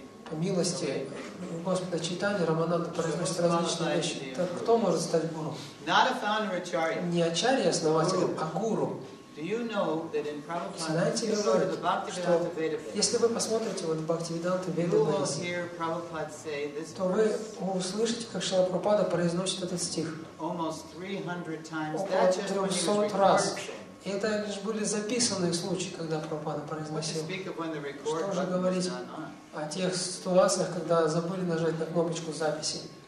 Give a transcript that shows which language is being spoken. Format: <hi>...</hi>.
<ru>по милости Господа Чайтанья, Рамананда произносит различные вещи. Так кто может стать гуру? Не ачарья-основатель, а гуру.</ru> <en>Do you know that in Prabhupada's sort of the Bhaktivedanta Veda phase,</en> <ru>если вы посмотрите вот Бхактивиданта Веда фазе, то вы услышите, как Шрила Прабхупада произносит этот стих.</ru> <en>Almost 300 times.</en> <ru>Около 300 раз. И это лишь были записанные случаи, когда Прабхупада произносил. Что же говорить о тех ситуациях, когда забыли нажать на кнопочку записи?</ru>